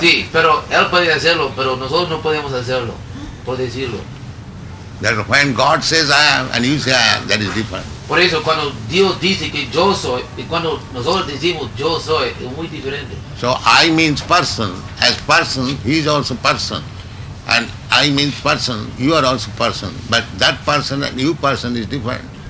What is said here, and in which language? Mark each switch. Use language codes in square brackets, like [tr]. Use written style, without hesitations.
[es] Sí, pero Él puede hacerlo, pero nosotros no podemos hacerlo, por decirlo. [en] That when God says I am and you say I am, that is different. [es] Por eso, cuando Dios dice que yo soy, y cuando nosotros decimos yo soy, es muy diferente. [en] So I means person. As person, He is also person. And I means person, you are also person, but that person and you person is different.